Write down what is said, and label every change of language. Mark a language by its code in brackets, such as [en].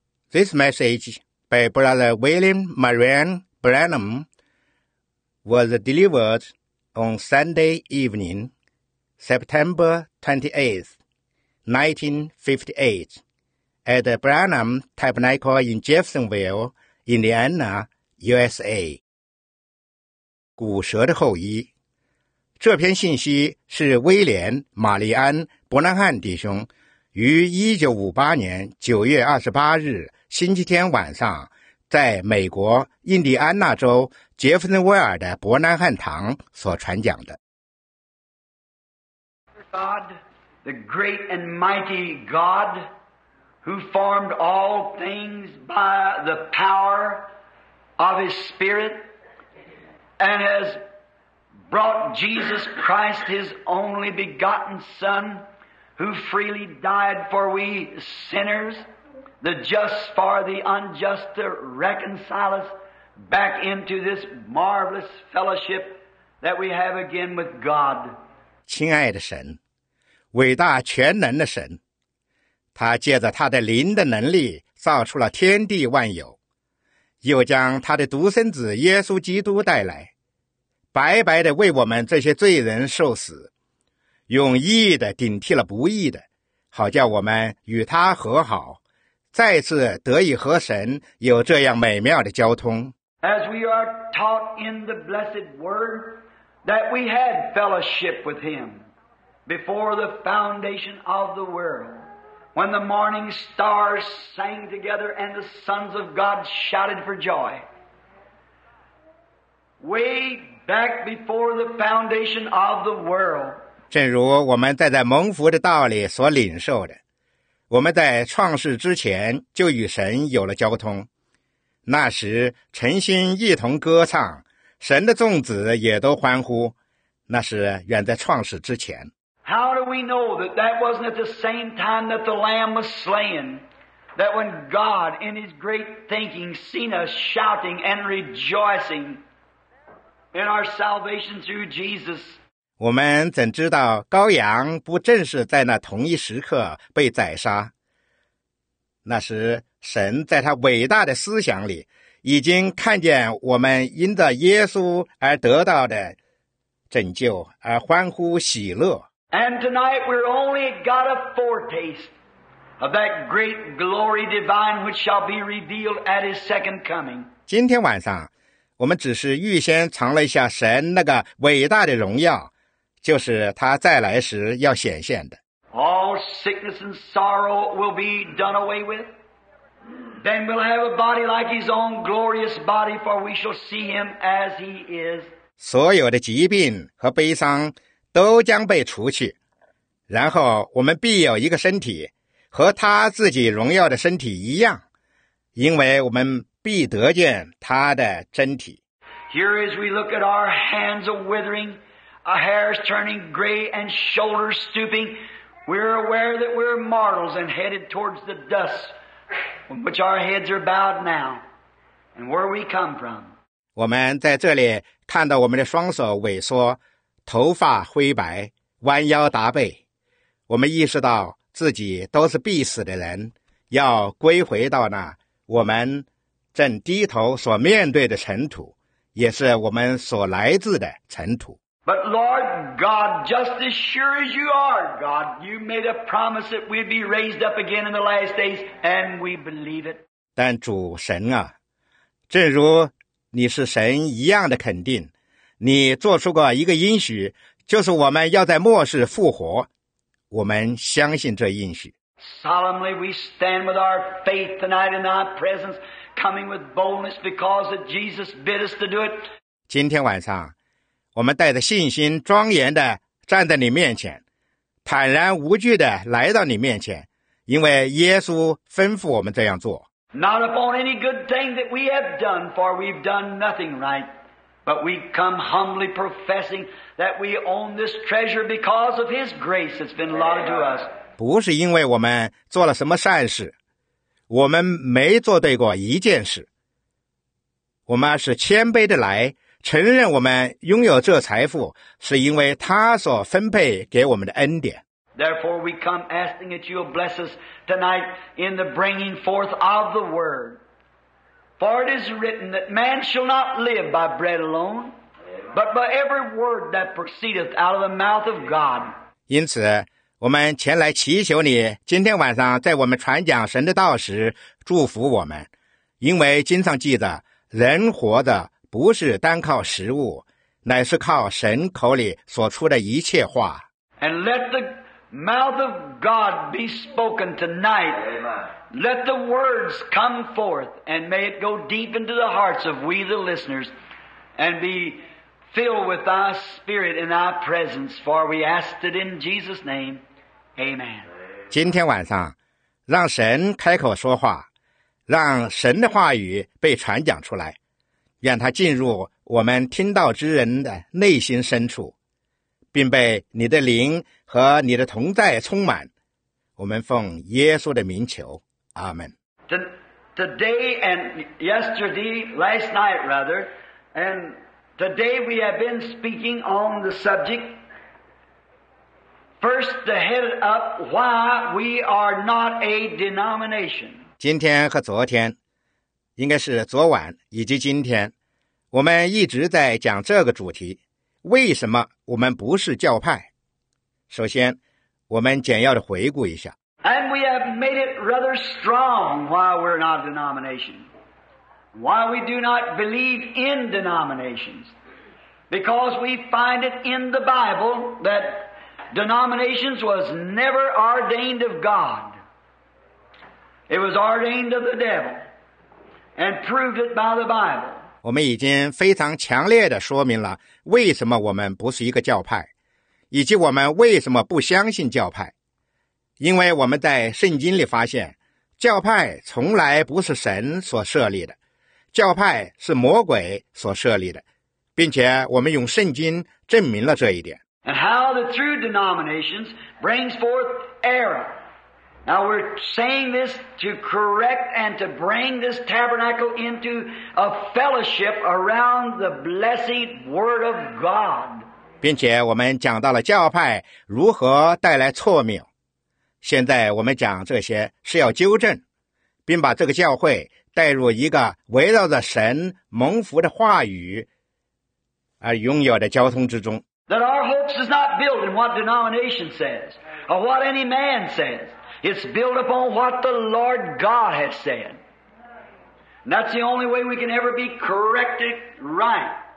[en] This message by Brother William Marion Branham was delivered on Sunday evening, September 28, 1958, at Branham Tabernacle in Jeffersonville, Indiana, USA. 骨折的后遗。 [zh] 这篇信息是威廉·玛丽安·伯南汉弟兄于1958年9月28日星期天晚上在美国印第安纳州杰弗森威尔的伯南汉堂所传讲的。 [en] God, the great and mighty God, who formed all things by the power of His Spirit, and has brought Jesus Christ, His only begotten Son, who freely died for we sinners, the just for the unjust, to reconcile us back into this marvelous fellowship that we have again with God. [zh] 亲爱的神，伟大全能的神，他借着他的灵的能力造出了天地万有，又将他的独生子耶稣基督带来，白白地为我们这些罪人受死，用义的顶替了不义的，好叫我们与他和好，再次得以和神有这样美妙的交通。 [en] As we are taught in the blessed word that we had fellowship with him before the foundation of the world, when the morning stars sang together and the sons of God shouted for joy. Way back before the foundation of the world. [zh] 正如我们在蒙福的道里所领受的，我们在创世之前就与神有了交通，那时诚心一同歌唱，神的众子也都欢呼，那是远在创世之前。 [en] How do we know that that wasn't at the same time that the Lamb was slain, that when God in His great thinking seen us shouting and rejoicing in our salvation through Jesus. [zh] 我们怎知道羔羊不正是在那同一时刻被宰杀？那时神在他伟大的思想里已经看见我们因着耶稣而得到的拯救而欢呼喜乐。 [en] And tonight we're only got a foretaste of that great glory divine which shall be revealed at His second coming. [zh] 今天晚上我们只是预先尝了一下神那个伟大的荣耀，就是他再来时要显现的。 [en] All sickness and sorrow will be done away with. Then we'll have a body like His own glorious body, for we shall see Him as He is. [zh] 所有的疾病和悲伤都将被除去，然后我们必有一个身体，和他自己荣耀的身体一样，因为我们必得见他的真体。 [en] Here as we look at our hands are withering, our hairs turning gray and shoulders stooping, we're aware that we're mortals and headed towards the dust from which our heads are bowed now and where we come from. [zh] 我们在这里看到我们的双手萎缩，头发灰白，弯腰驼背，我们意识到自己都是必死的人，要归回到那我们正低头所面对的尘土，也是我们所来自的尘土。 [en] But Lord God, just as sure as you are God, you made a promise that we'd be raised up again in the last days, and we believe it. [zh] 但主神啊，正如你是神一样的肯定，你做出过一个应许，就是我们要在末世复活，我们相信这应许。 [en] Solemnly we stand with our faith tonight in thy presence, coming with boldness because of Jesus bid us to do it. [zh] 今天晚上我们带着信心庄严地站在你面前，坦然无惧地来到你面前，因为耶稣吩咐我们这样做。 [en] Not upon any good thing that we have done, for we've done nothing right, but we come humbly professing that we own this treasure because of His grace that's been allotted to us. [zh] 不是因为我们做了什么善事，我们没做对过一件事，我们是谦卑的来承认我们拥有这财富是因为他所分配给我们的恩典。 [en] Therefore, we come asking that you'll bless us tonight in the bringing forth of the Word. For it is written that man shall not live by bread alone, but by every word that proceedeth out of the mouth of God. [zh] 因此，我们前来祈求你，今天晚上在我们传讲神的道时，祝福我们。因为经上记得，人活的不是单靠食物，乃是靠神口里所出的一切话。 [en] And let the mouth of God be spoken tonight. Amen. Let the words come forth, and may it go deep into the hearts of we the listeners, and be filled with thy spirit in thy presence, for we ask it in Jesus' name. Amen. [zh] 今天晚上，让神开口说话，让神的话语被传讲出来，愿他进入我们听到之人的内心深处，并被你的灵和你的同在充满。我们奉耶稣的名求，阿们。 [en] Today and yesterday, last night rather, and today we have been speaking on the subject. First, to head up why we are not a denomination. [zh] 今天和昨天，应该是昨晚以及今天，我们一直在讲这个主题。为什么我们不是教派？首先，我们简要的回顾一下。 [en] And we have made it rather strong why we're not denomination. Why we do not believe in denominations. Because we find it in the Bible that denominations was never ordained of God. It was ordained of the devil. And proved it by the Bible. [zh] 我们已经非常强烈地说明了为什么我们不是一个教派，以及我们为什么不相信教派。因为我们在圣经里发现，教派从来不是神所设立的，教派是魔鬼所设立的，并且我们用圣经证明了这一点。 [en] And how the true denominations brings forth error. Now we're saying this to correct and to bring this tabernacle into a fellowship around the blessed Word of God. [zh] 并且我们讲到了教派如何带来错谬。现在我们讲这些是要纠正，并把这个教会带入一个围绕着神蒙福的话语而拥有的交通之中。 [en] That our hopes is not built in what denomination says, or what any man says. It's built upon what the Lord God has said. And that's the only way we can ever be corrected right.